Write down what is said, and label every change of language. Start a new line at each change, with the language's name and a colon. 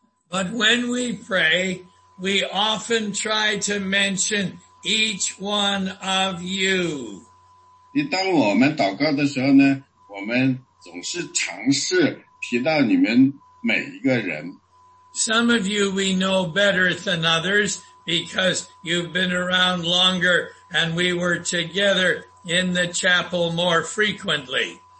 English: But when we pray, we often try to mention each one of you.
Chinese: 当我们祷告的时候呢，我们总是尝试提到你们每一个人。
English: Some of you we know better than others because you've been around longer and we were together in the chapel more frequently.